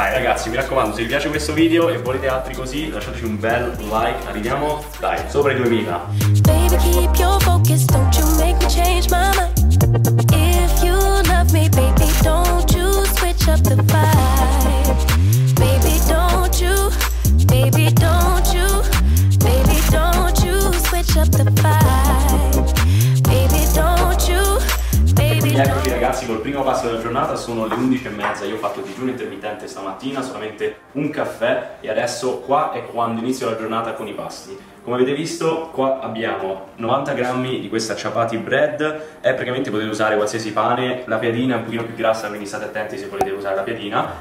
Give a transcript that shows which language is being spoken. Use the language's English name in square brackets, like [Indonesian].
[Italian] Ragazzi, mi raccomando, se vi piace questo video e volete altri così, lasciateci un bel like. Arriviamo, dai, sopra i 2000. [English] Baby, keep your focus, don't you make me change my mind. If you love me, baby, don't you switch up the vibe. Baby, don't you, baby, don't you, baby, don't you switch up the vibe. Baby, don't you, baby, don't you. [Italian] Eccoci ragazzi, col primo passo della giornata, sono le 11:30, io ho fatto digiuno intermittente stamattina, solamente un caffè, e adesso qua è quando inizio la giornata con i pasti. Come avete visto, qua abbiamo 90 grammi di questa ciabatta bread, è praticamente, potete usare qualsiasi pane, la piadina è un pochino più grassa, quindi state attenti se volete usare la piadina.